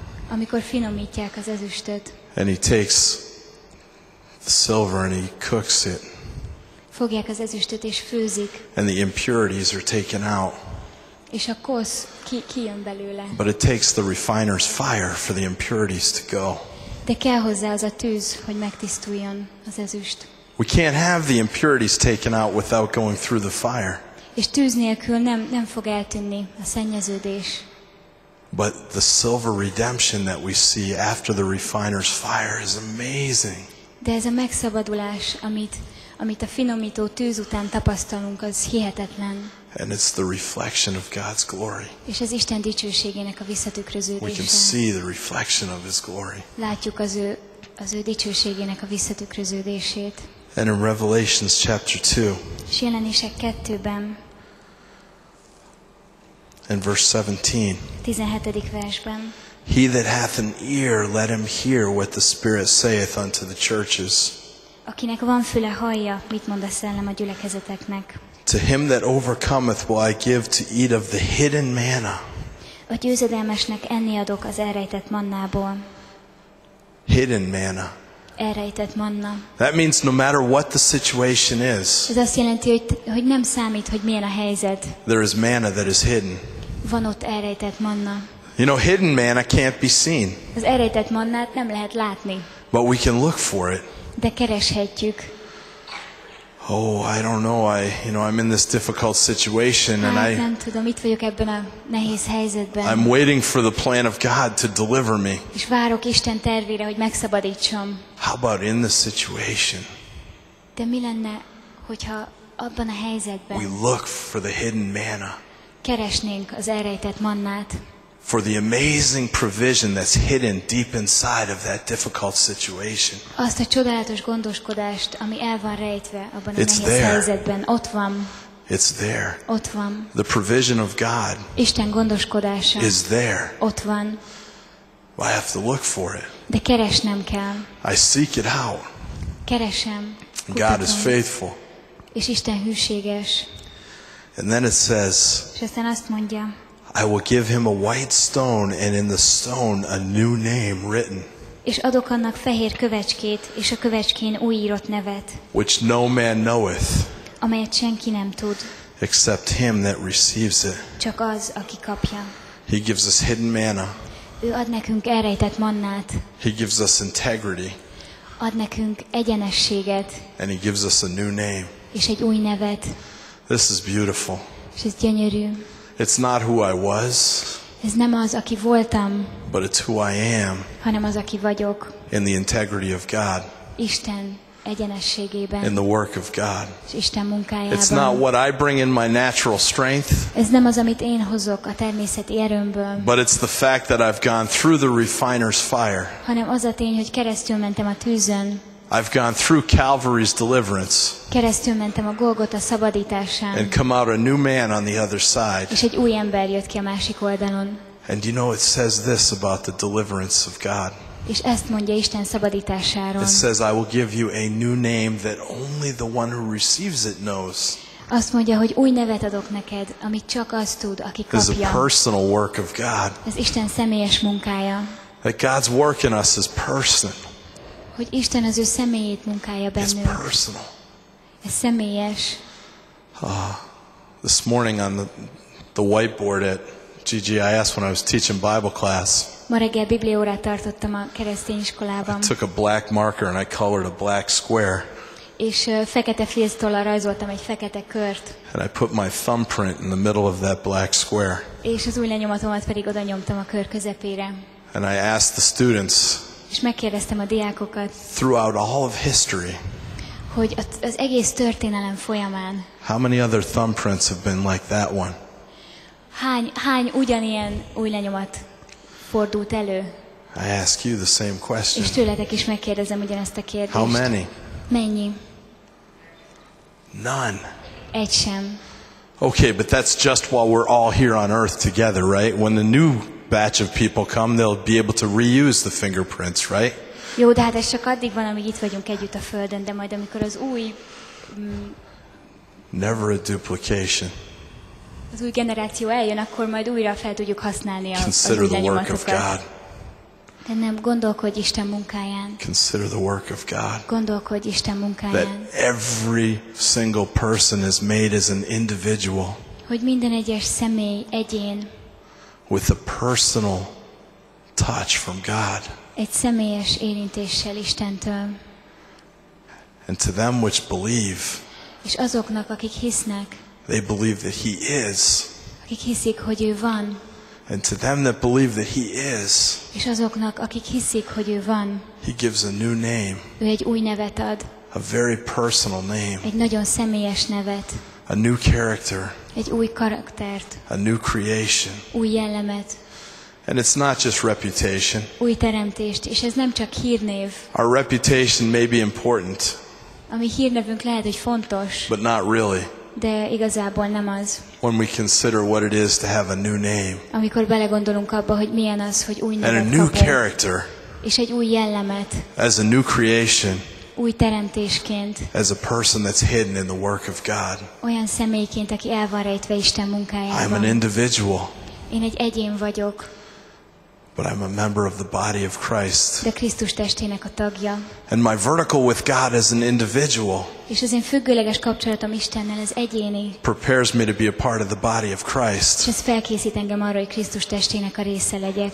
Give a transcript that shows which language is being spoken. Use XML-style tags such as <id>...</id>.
<hu>Amikor finomítják az ezüstöt.</hu> <en>And he takes the silver and he cooks it.</en> <hu>Fogják az ezüstöt és főzik.</hu> <en>And the impurities are taken out.</en> <hu>És a kosz kijön belőle.</hu> <en>But it takes the refiner's fire for the impurities to go.</en> <hu>De kell hozzá az a tűz, hogy megtisztuljon az ezüst.</hu> <en>We can't have the impurities taken out without going through the fire.</en> <hu>És tűz nélkül nem fog eltűnni a szennyeződés.</hu> <en>But the silver redemption that we see after the refiner's fire is amazing.</en> <hu>De ez a megszabadulás, amit a finomító tűz után tapasztalunk, az hihetetlen.</hu> <en>And it's the reflection of God's glory.</en> <hu>És ez Isten dicsőségének a visszatükröződése.</hu> <en>We can see the reflection of his glory.</en> <hu>Látjuk az ő dicsőségének a visszatükröződését.</hu> <en>And in Revelations chapter 2.</en> <hu>És Jelenések 2-ben.</hu> <en>In verse 17.</en> <hu>17. versben.</hu> <en>He that hath an ear, let him hear what the Spirit saith unto the churches.</en> <hu>Akinek van füle, hallja, mit mond a szellem a gyülekezeteknek.</hu> <en>To him that overcometh will I give to eat of the hidden manna.</en> <hu>A győzedelmesnek enni adok az elrejtett mannából.</hu> <en>Hidden manna.</en> <hu>Elrejtett manna.</hu> <en>That means no matter what the situation is.</en> <hu>Ez azt jelenti, hogy nem számít, hogy milyen a helyzet.</hu> <en>There is manna that is hidden.</en> <hu>Van ott elrejtett manna.</hu> <en>You know, hidden manna can't be seen.</en> <hu>Az elrejtett mannát nem lehet látni.</hu> <en>But we can look for it.</en> <hu>De kereshetjük.</hu> <en>Oh, I don't know. I'm in this difficult situation and I</en> <hu>nem tudom, itt vagyok ebben a nehéz helyzetben.</hu> <en>I'm waiting for the plan of God to deliver me.</en> <hu>És várok Isten tervére, hogy megszabadítsam.</hu> <en>How about in this situation?</en> <hu>De mi lenne, hogyha abban a helyzetben?</hu> <en>We look for the hidden manna.</en> <hu>Keresnénk az elrejtett mannát.</hu> <en>For the amazing provision that's hidden deep inside of that difficult situation.</en> <hu>Azt a csodálatos gondoskodást, ami el van rejtve abban a nehéz helyzetben, ott van.</hu> <en>It's there.</en> <hu>Ott van.</hu> <en>The provision of God.</en> <hu>Isten gondoskodása.</hu> <en>Is there.</en> <hu>Ott van.</hu> <en>I have to look for it.</en> <hu>De keresnem kell.</hu> <en>I seek it out.</en> <hu>Keresem.</hu> <en>God is faithful.</en> <hu>És Isten hűséges.</hu> <en>And then it says.</en> <hu>És aztán azt mondja.</hu> <en>I will give him a white stone and in the stone a new name written.</en> <hu>És adok annak fehér kövecskét és a kövecskén újírott nevet.</hu> <en>Which no man knoweth.</en> <hu>Amelyet senki nem tud.</hu> <en>Except him that receives it.</en> <hu>Csak az, aki kapja.</hu> <en>He gives us hidden manna.</en> <hu>Ő ad nekünk elrejtett mannát.</hu> <en>He gives us integrity.</en> <hu>Ad nekünk egyenességet.</hu> <en>And he gives us a new name.</en> <hu>És egy új nevet.</hu> <en>This is beautiful.</en> <hu>És ez gyönyörű.</hu> <en>It's not who I was.</en> <hu>Ez nem az, aki voltam.</hu> <en>But it's who I am.</en> <hu>Hanem az, aki vagyok.</hu> <en>In the integrity of God.</en> <hu>Isten egyenességében.</hu> <en>In the work of God.</en> <hu>És Isten munkájában.</hu> <en>It's not what I bring in my natural strength.</en> <hu>Ez nem az, amit én hozok a természeti erőmből.</hu> <en>But it's the fact that I've gone through the refiner's fire.</en> <hu>Hanem az a tény, hogy keresztül mentem a tűzön.</hu> <en>I've gone through Calvary's deliverance.</en> <hu>Keresztül mentem a Golgota szabadításán.</hu> <en>And come out a new man on the other side.</en> <hu>És egy új ember jött ki a másik oldalon.</hu> <en>And you know it says this about the deliverance of God.</en> <hu>És ezt mondja Isten szabadításáról.</hu> <en>It says I will give you a new name that only the one who receives it knows.</en> <hu>Azt mondja, hogy új nevet adok neked, amit csak az tud, aki kapja.</hu> <en>This is a personal work of God.</en> <hu>Ez Isten személyes munkája.</hu> <en>That God's work in us is personal.</en> <hu>Hogy Isten az ő személyét munkája bennünk.</hu> <en>It's personal.</en> <hu>Ez személyes.</hu> <en>This morning on the whiteboard at GGIS when I was teaching Bible class.</en> <hu>Ma reggel bibliaórát tartottam a keresztény iskolában.</hu> <en>I took a black marker and I colored a black square.</en> <hu>És fekete filctollal rajzoltam egy fekete kört.</hu> <en>And I put my thumbprint in the middle of that black square.</en> <hu>És az ujjlenyomatomat pedig oda nyomtam a kör közepére.</hu> <en>And I asked the students.</en> <hu>És megkérdeztem a diákokat.</hu> <en>Throughout all of history.</en> <hu>Hogy az egész történelem folyamán.</hu> <en>How many other thumbprints have been like that one?</en> <hu>Hány ugyanilyen új lenyomat fordult elő?</hu> <en>I ask you the same question.</en> <hu>És tőletek is megkérdezem ugyanezt a kérdést.</hu> <en>How many?</en> <hu>Mennyi?</hu> <en>None.</en> <hu>Egy sem.</hu> <en>Okay, but that's just while we're all here on earth together, right? When the new batch of people come, they'll be able to reuse the fingerprints, right?</en> <hu>Jó, de hát ez csak addig van, amíg itt vagyunk együtt a Földön, de majd amikor az új</hu> <en>never a duplication.</en> <hu>Az új generáció eljön, akkor majd újra fel tudjuk használni a</hu> <en>consider the work of God.</en> <hu>De nem gondolkodj Isten munkáján.</hu> <en>Consider the work of God.</en> <hu>Gondolkodj Isten munkáján.</hu> <en>That every single person is made as an individual.</en> <hu>Hogy minden egyes személy egyén.</hu> <en>With a personal touch from God.</en> <hu>Egy személyes érintéssel Istentől.</hu> <en>And to them which believe.</en> <hu>És azoknak, akik hisznek.</hu> <en>They believe that he is.</en> <hu>Akik hiszik, hogy ő van.</hu> <en>And to them that believe that he is.</en> <hu>És azoknak, akik hiszik, hogy ő van.</hu> <en>He gives a new name.</en> <hu>Ő egy új nevet ad.</hu> <en>A very personal name.</en> <hu>Egy nagyon személyes nevet.</hu> <en>A new character.</en> <hu>Egy új karaktert.</hu> <en>A new creation.</en> <hu>Új jellemet.</hu> <en>And it's not just reputation.</en> <hu>Új teremtést, és ez nem csak hírnév.</hu> <en>Our reputation may be important.</en> <hu>A mi hírnevünk lehet, hogy fontos.</hu> <en>But not really.</en> <hu>De igazából nem az.</hu> <en>When we consider what it is to have a new name.</en> <hu>Amikor belegondolunk abba, hogy milyen az, hogy új nevet kapunk.</hu> <en>And a new character.</en> <hu>És egy új jellemet.</hu> <en>As a new creation.</en> <hu>Új teremtésként.</hu> <en>As a person that's hidden in the work of God.</en> <hu>Olyan személyként, aki el van rejtve Isten munkájában.</hu> <en>I'm an individual.</en> <hu>Én egy egyén vagyok.</hu> <en>But I'm a member of the body of Christ.</en> <hu>De Krisztus testének a tagja.</hu> <en>And my vertical with God as an individual.</en> <hu>És az én függőleges kapcsolatom Istennel az egyéni.</hu> <en>Prepares me to be a part of the body of Christ.</en> <hu>És ez felkészít engem arra, hogy Krisztus testének a része legyek.</hu>